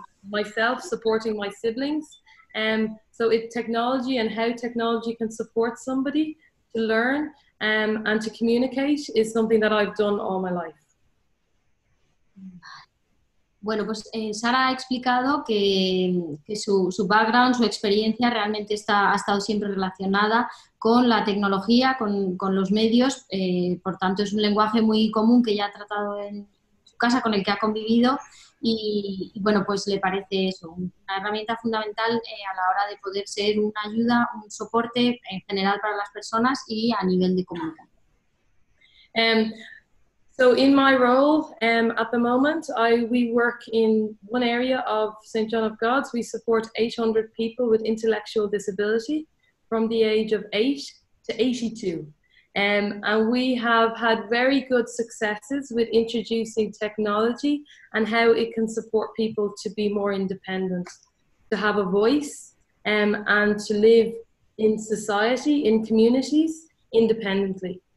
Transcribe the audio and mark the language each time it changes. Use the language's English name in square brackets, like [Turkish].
[English] Myself supporting my siblings. So it's technology and how technology can support somebody to learn and to communicate is something that I've done all my life. [Spanish] Bueno, pues Sara ha explicado que su background, su experiencia realmente ha estado siempre relacionada con la tecnología, con los medios, por tanto es un lenguaje muy común que ya ha tratado en su casa, con el que ha convivido y bueno, pues le parece eso, una herramienta fundamental a la hora de poder ser una ayuda, un soporte en general para las personas y a nivel de comunidad. [English] So in my role at the moment, we work in one area of St. John of God's. We support 800 people with intellectual disability from the age of 8 to 82. And we have had very good successes with introducing technology and how it can support people to be more independent, to have a voice and to live in society, in communities, independently.